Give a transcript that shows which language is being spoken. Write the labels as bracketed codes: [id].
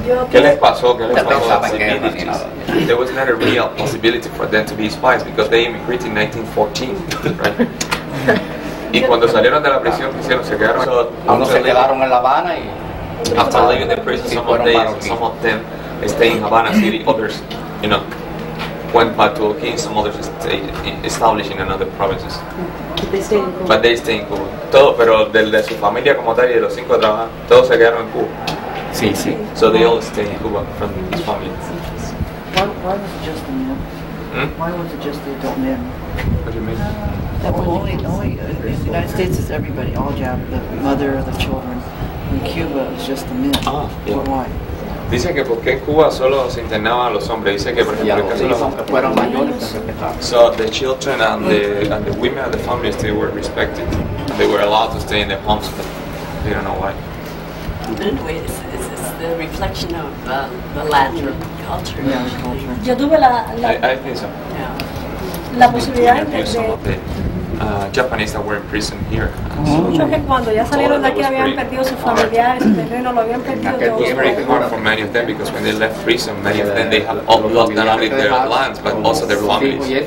[es] ¿Qué les pasó? ¿Qué les pasó? [en] There was not a real possibility for them to be spies because they immigrated in 1914, right? [es] Y cuando salieron de la prisión, ¿qué hicieron? Se quedaron. Algunos se quedaron en La Habana y... [en] After leaving the prison, some of them stayed in Havana City, others, you know, went back to Oquín, some others established in another provinces. But they stayed in Cuba. [es] Todo, pero de su familia como tal y de los 5 trabajos, todos se quedaron en Cuba. Sí, sí. [en] So they all stayed in Cuba from his family. Why was it just the men? Why was it just the adult men? What do you mean? The United States is everybody, all Japanese, the mother of the children. In Cuba, it's just the men. Why? [es] Dice que porque en Cuba solo se internaban a los hombres. Dice que por ejemplo en caso de los hombres fueron mayores. [en] So the children and the women of the families, they were respected. They were allowed to stay in their homes, but they don't know why. Anyway, it's the reflection of the Latin culture. [es] Yeah. Yo tuve la [en] I think so. [es] Yeah. La posibilidad de [en] Japanese that were in prison here. [es] Muchos que cuando ya salieron de aquí habían perdido sus familiares, su terreno, lo habían perdido. [en] It was very hard for many of them because when they left prison, many of them they had lost not only their lands but also their families.